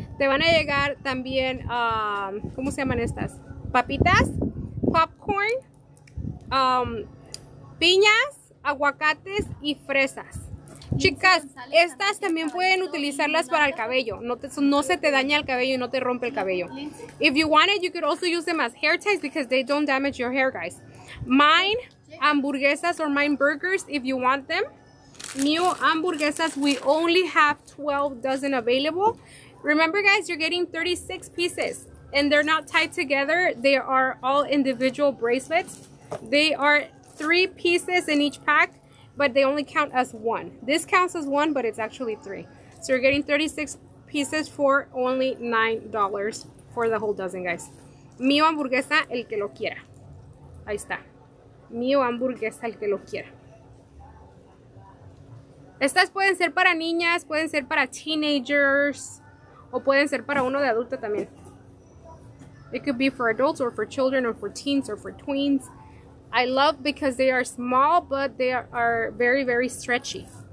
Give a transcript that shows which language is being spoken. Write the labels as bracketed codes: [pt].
[es] Te van a llegar también, ¿cómo se llaman estas? Papitas, popcorn, piñas, aguacates y fresas. Chicas, estas también pueden utilizarlas para el cabello. No se te daña el cabello y no te rompe el cabello. [en] If you want it, you could also use them as hair ties because they don't damage your hair, guys. Mine hamburguesas or mine burgers if you want them. New hamburguesas, we only have 12 dozen available. Remember, guys, you're getting 36 pieces and they're not tied together. They are all individual bracelets. They are 3 pieces in each pack, but they only count as one. This counts as one, but it's actually 3. So you're getting 36 pieces for only $9 for the whole dozen, guys. [es] Mio hamburguesa, el que lo quiera. Ahí está. Mio hamburguesa, el que lo quiera. Estas pueden ser para niñas, pueden ser para teenagers, o pueden ser para uno de adulto también. [en] It could be for adults or for children or for teens or for tweens. I love because they are small, but they are very, very stretchy.